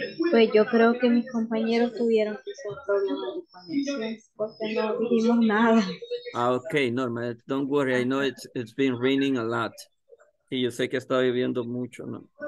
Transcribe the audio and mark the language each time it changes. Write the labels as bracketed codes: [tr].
[es] Pues yo creo que mis compañeros tuvieron problemas de conexión porque no vimos nada. [en] Ah, ok, Norma, don't worry, I know it's been raining a lot. [es] Y yo sé que está lloviendo mucho, ¿no?